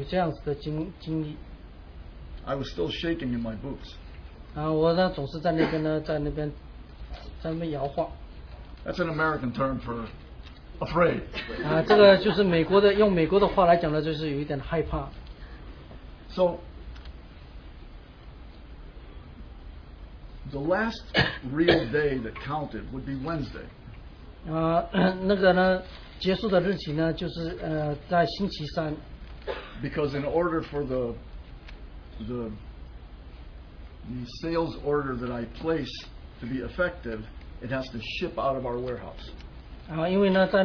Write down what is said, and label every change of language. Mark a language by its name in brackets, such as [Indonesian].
[Chinese] 我过去呢就一直呢有这样子的经历。 [English] I was still shaking in my boots. [Chinese] 我呢总是在那边摇晃。 [English] That's an American term for afraid. [Chinese] 这个就是用美国的话来讲呢就是有一点害怕。 [English] So the last real day that counted would be Wednesday. [Chinese] 那个呢结束的日期呢就是在星期三。 [English] Because in order for the sales order that I place to be effective, it has to ship out of our warehouse.